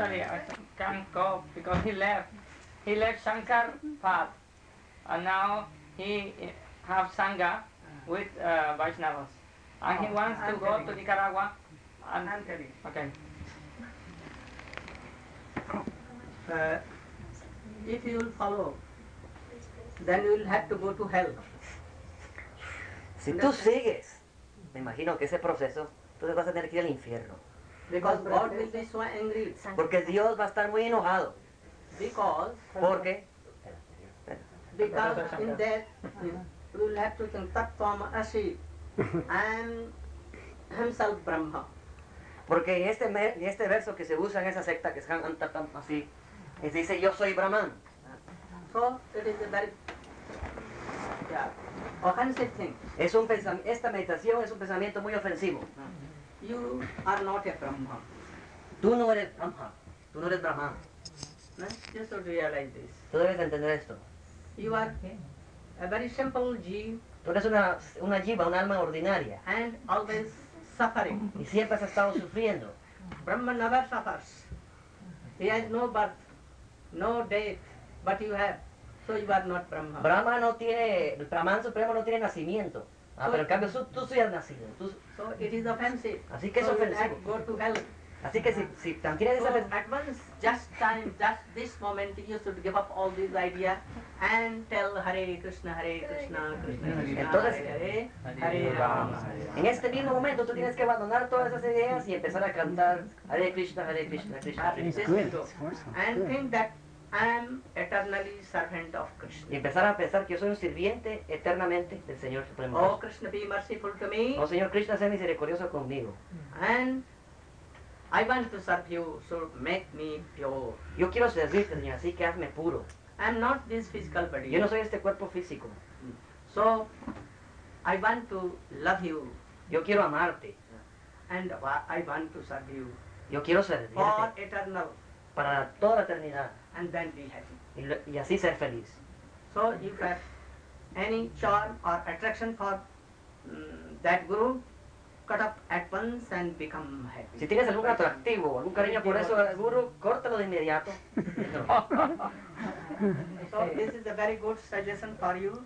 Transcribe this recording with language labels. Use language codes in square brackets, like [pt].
[en] Actually, I can't go because he left Shankar Path, and now he have sangha with Vaishnavas, and he wants to go to Nicaragua. Okay. If you follow, then you will have to go to hell. [es] Si tú sigues, me imagino que ese proceso, tú te vas a tener que ir al infierno. [en] Because God will be so angry. [es] Porque Dios va a estar muy enojado. [en] Because. [es] Porque. [en] Because in death, you will have to think that form Ashi. I'm himself Brahma. [es] Porque este verso que se usa en esa secta que es Han Tatam Asi, dice yo soy Brahman. [en] So it is a very offensive thing. [es] Es un esta meditación es un pensamiento muy ofensivo. [en] You are not a Brahma. [es] Tú no eres Brahma. Tú no eres Brahman. [en] You should realize this. [es] Tú debes entender esto. [en] You are a very simple jiva. [es] Tú eres una jiva, un alma ordinaria. [en] And always suffering. [es] Y siempre has estado sufriendo. [en] Brahma never suffers. He has no birth, no death, but you have. So you are not Brahma. [es] Brahma no tiene, el Brahman Supremo no tiene nacimiento. Ah, [en] so, [es] pero en cambio tú sí has nacido. Tú, [en] so it is offensive. [es] Así que [en] so [es] es ofensivo. [en] Go to hell. [es] Así que si tienes esa pensamiento. [en] At once, just time, just this moment, you should give up all these ideas and tell Hare Krishna, Hare Krishna, Krishna Krishna, [es] entonces, [sa] Hare Hare, [es] Hare Rama. En este mismo momento tú tienes que abandonar todas esas ideas y empezar a cantar Hare Krishna, Hare Krishna, Krishna Krishna. [en] And think that I am eternally servant of Krishna. [es] Y empezar a pensar que yo soy un sirviente eternamente del Señor Supremo. [en] Oh Krishna, be merciful to me. [es] Oh Señor Krishna, sé misericordioso conmigo. [en] And I want to serve you, so make me pure. [es] Yo quiero servirte, Señor, así que hazme puro. [en] I'm not this physical body. [es] Yo no soy este cuerpo físico. [en] So, I want to love you. [es] Yo quiero amarte. [en] And I want to serve you. [es] Yo quiero servirte. [en] For eternal. [es] Para toda la eternidad. [en] And then be happy. [es] Y así ser feliz. [en] So, if you have any charm or attraction for that guru, cut up at once and become happy. [es] Si tienes algún atractivo o algún cariño por eso, guru, córtalo de inmediato. [en] So this is a very good suggestion for you.